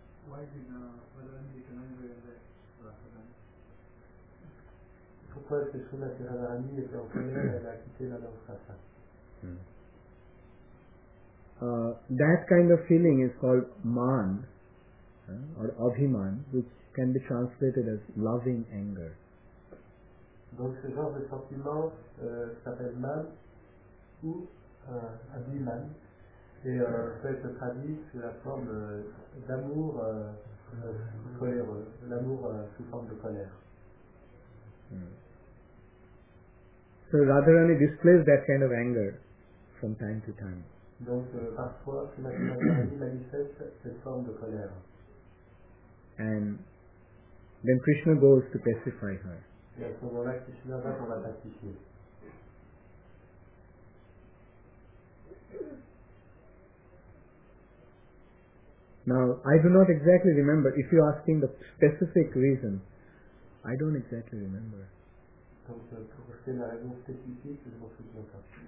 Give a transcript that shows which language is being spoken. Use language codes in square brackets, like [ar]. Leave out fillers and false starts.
[en] Why did Balarama Vikramangriya [fr] pourquoi est-ce que Srimati Radharani était en colère et elle a quitté la Namsasa. [en] That kind of feeling is called man or abhiman, which can be translated as loving anger. [fr] Donc ce genre de sentiment s'appelle man ou abhiman et peut être traduit sous la forme d'amour coléreux, l'amour sous forme de colère. [en] So Radharani displays that kind of anger from time to time. [fr] Donc parfois, Srimati Radharani manifeste cette forme de colère. [en] And then Krishna goes to pacify her. [fr] Et à ce moment-là, Krishna va pour la pacifier. [en] Now, I do not exactly remember, if you're asking the specific reason, I don't exactly remember. [fr] Donc, pour vous donner la raison spécifique, je m'en souviens pas.